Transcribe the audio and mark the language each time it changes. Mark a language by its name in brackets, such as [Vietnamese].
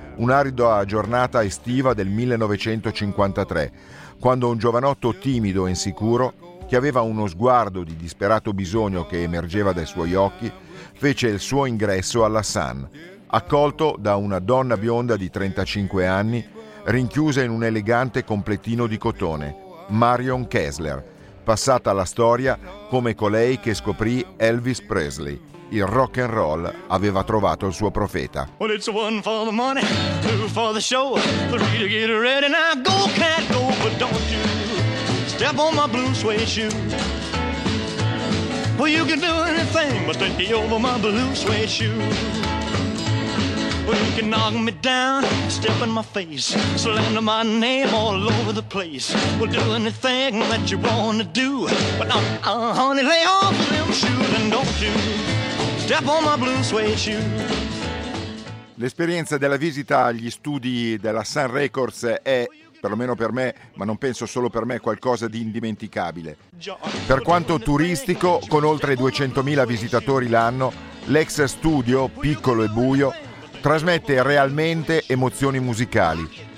[Italian] Un'arida giornata estiva del 1953, quando un giovanotto timido e insicuro, che aveva uno sguardo di disperato bisogno che emergeva dai suoi occhi, fece il suo ingresso alla Sun, accolto da una donna bionda di 35 anni, rinchiusa in un elegante completino di cotone, Marion Kessler, passata alla storia come colei che scoprì Elvis Presley. Il rock and roll aveva trovato il suo profeta. [English] Well, it's one for the money, two for the show, three to get ready, now go cat go, but don't you step on my blue suede shoe. Well, you can do anything but take me over my blue suede shoe. Well, you can knock me down, step in my face, slander my name all over the place. Well, do anything that you wanna do, but not, honey, lay off of them shoes and don't you step on my blue suede shoe. [Italian] L'esperienza della visita agli studi della Sun Records è, perlomeno per me, ma non penso solo per me, qualcosa di indimenticabile. Per quanto turistico, con oltre 200.000 visitatori l'anno, l'ex studio, piccolo e buio, trasmette realmente emozioni musicali.